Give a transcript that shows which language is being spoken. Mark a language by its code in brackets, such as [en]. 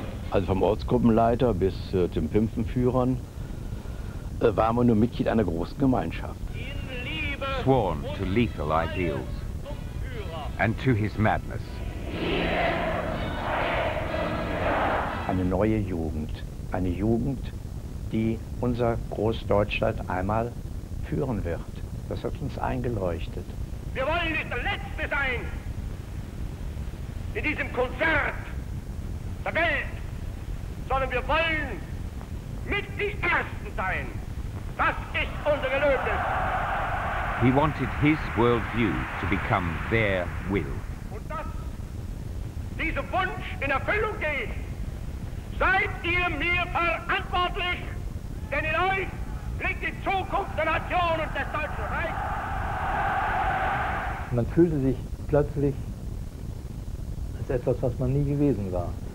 [de] Also vom Ortsgruppenleiter bis zum Pimpfenführern waren wir nur Mitglied einer großen Gemeinschaft. [en] Sworn to lethal ideals and to his madness. [de] Eine neue Jugend, eine Jugend, die unser Großdeutschland einmal führen wird. Das hat uns eingeleuchtet. Wir wollen nicht der Letzte sein in diesem Konzert der Welt. Sondern wir wollen mit die Ersten sein. Das ist unser Gelöbnis. [en] He wanted his worldview to become their will. [de] Und dass dieser Wunsch in Erfüllung geht, seid ihr mir verantwortlich, denn in euch liegt die Zukunft der Nation und des Deutschen Reichs. Man fühlte sich plötzlich als etwas, was man nie gewesen war.